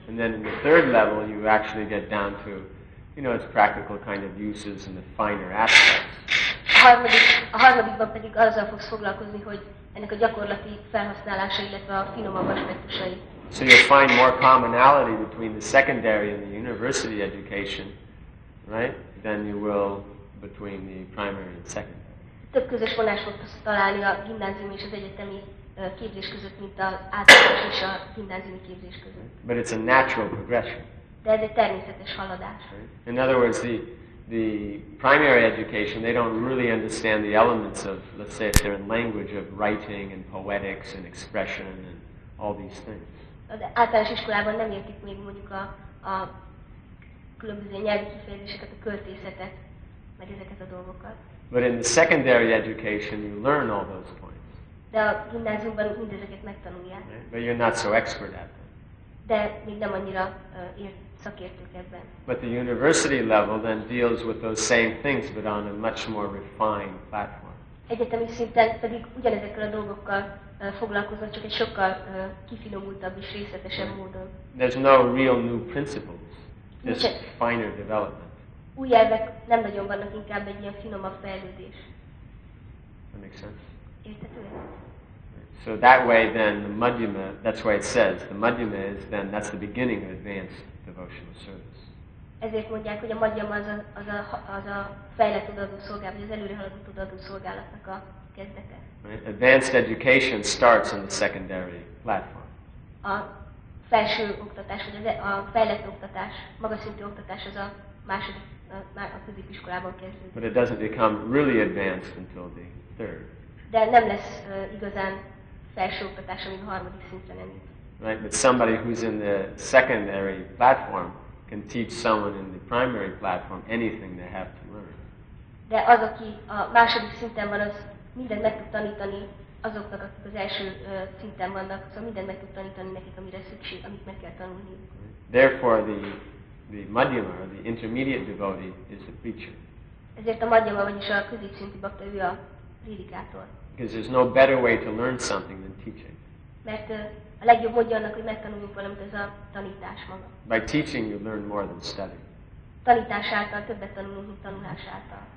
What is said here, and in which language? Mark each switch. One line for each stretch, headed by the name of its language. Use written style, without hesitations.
English: And then in the third level you actually get down to you know, its practical kind of uses and the finer aspects.
Hungarian: A harmadikban pedig azzal fogsz foglalkozni, hogy ennek a gyakorlati felhasználása, illetve a finomabb aspektusai.
English: So you'll find more commonality between the secondary and the university education, right, than you will between the primary and secondary.
Hungarian: Több közös vonás fog találni a gimnázium és az egyetemi képzés között, mint az általános és a gimnáziumi képzés között.
English: But it's a natural progression.
Hungarian: De ez egy természetes haladás.
English: In other words, the primary education, they don't really understand the elements of, let's say, if they're in language, of writing and poetics and expression and all these things.
Hungarian: Az általános iskolában nem értik még mondjuk a különböző nyelvi kifejezéseket, a költészetet, meg ezeket a dolgokat.
English: But in the secondary education, you learn all those points.
Hungarian: De a gimnáziumban mindezeket megtanulják.
English: Right? But you're not so expert at them.
Hungarian: De még nem annyira ért szakértők ebben.
English: But the university level then deals with those same things, but on a much more refined platform.
Hungarian: Egyetemi szinten pedig ugyanezekkel a dolgokkal foglalkozom, csak egy sokkal kifinomultabb és részletesebb módon.
English: There's no real new principles, just finer development.
Hungarian: Új elvek nem nagyon vannak, inkább egy ilyen finomabb fejlődés.
English: That makes sense.
Hungarian: Érthető?
English: So that way then the Madhyama, that's why it says, the Madhyama is then, that's the beginning of advanced devotional service.
Hungarian: Ezért mondják, hogy a Madhyama az a fejlett odaadó szolgálat, az előre haladott odaadó szolgálatnak a kezdete.
English: Right? Advanced education starts on the secondary platform.
Hungarian: A felső oktatás, vagy a fejlett oktatás, magas szintű oktatás az a második, már a középiskolában kezdődik.
English: But it doesn't become really advanced until the third.
Hungarian: De nem lesz igazán felső oktatás, amíg a harmadik szintre nem jut.
English: Right, but somebody who's in the secondary platform can teach someone in the primary platform anything they have to learn.
Hungarian: De az, aki a második szinten van, az mindent meg tud tanítani azoknak, akik az első szinten vannak, szóval mindent meg tud tanítani nekik, amire szükség, amit meg kell tanulni.
English: Therefore the Madhyama, the intermediate devotee is the preacher.
Hungarian: Ezért a Madhyama, vagyis a középszintű bakta, ő a prédikátor.
English: Because there's no better way to learn something than teaching.
Hungarian: Mert a legjobb módja annak, hogy megtanuljunk valamit, az a tanítás maga.
English: By teaching you learn more than study.
Hungarian: Tanítás által többet tanulunk, mint tanulás által.